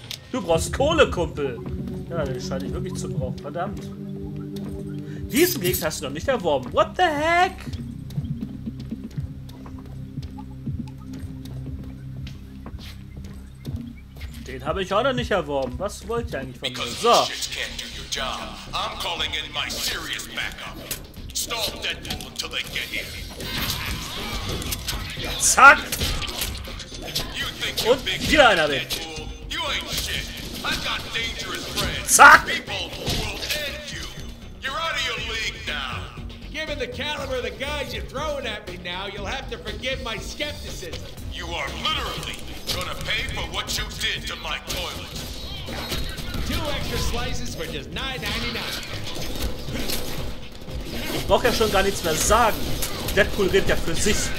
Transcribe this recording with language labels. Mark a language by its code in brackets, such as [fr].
[de] Du brauchst Kohle, Kumpel. Ja, den scheine ich wirklich zu brauchen. Verdammt. Diesen Gegner hast du noch nicht erworben. [en] What the heck? [de] Den habe ich auch noch nicht erworben. Was wollt ihr eigentlich von mir? So. [en] I'm calling in my serious backup. Stop Deadpool until they get here. Zack! You think [de] und wieder einer weg. [en] You ain't shit. I've got dangerous friends. Zack! People will end you. You're out of your league now. Given the caliber of the guys you're throwing at me now, you'll have to forgive my skepticism. You are literally gonna pay for what you did to my toilet. Two extra slices for just $9.99. [de] Ich brauch ja schon gar nichts mehr sagen. Deadpool redet ja für sich.